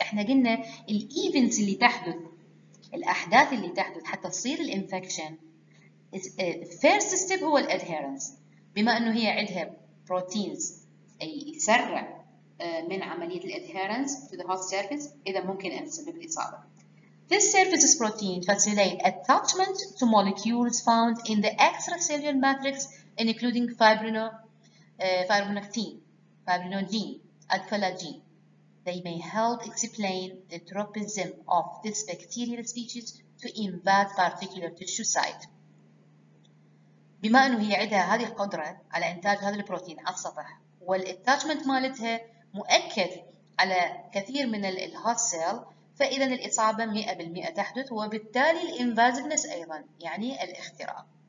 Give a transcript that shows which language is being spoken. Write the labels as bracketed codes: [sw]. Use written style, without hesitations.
[ar] إحنا قلنا الـ events اللي تحدث، الأحداث اللي تحدث حتى تصير الـ infection. [en] First step [ar] هو الـ [en] adherence. [ar] بما أنه هي عندها proteins يسرع من عملية الادهيرنس [en] to the host surface [ar] إذا ممكن أن تسبب الإصابة. [en] This surface protein facilitates attachment to molecules found in the extracellular matrix including fibrinogen and collagen. They may help explain the tropism of this bacterial species to invade particular tissue site. [ar] بما انه هي عندها هذه القدره على انتاج هذا البروتين على السطح والاتاتشمنت مالتها مؤكد على كثير من الهوست سيل، فاذا الاصابه 100% تحدث وبالتالي الانفازيفنس ايضا يعني الاختراق.